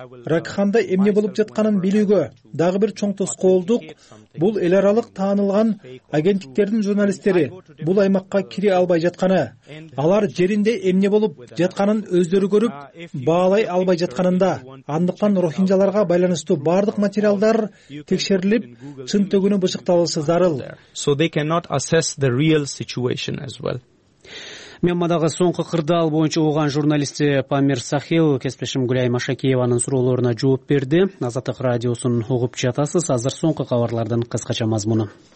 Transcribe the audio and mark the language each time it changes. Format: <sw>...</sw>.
<ky>Ракханда эмне болуп жатканын билүүгө дагы бир чоң тоскоолдук бул эл аралык таанылган агенттиктердин журналисттери бул аймакка кире албай жатканы. Алар жеринде эмне болуп жатканын өздөрү көрүп, баалай албай жатканында. Андыктан рохинжаларга байланыштуу бардык материалдар текшерилип, чын төгүнү бышыкталышы зарыл.</ky> <en>So they cannot assess the real situation as well.</en> <ky>Мьянмадагы соңку кырдаал боюнча ооган журналисти Памир Сахил кесиптешим Гүлай Машакиеванын суроолоруна жооп берди. Азаттык радиосун угуп жатасыз. Азыр соңку кабарлардын кыскача мазмуну.</ky>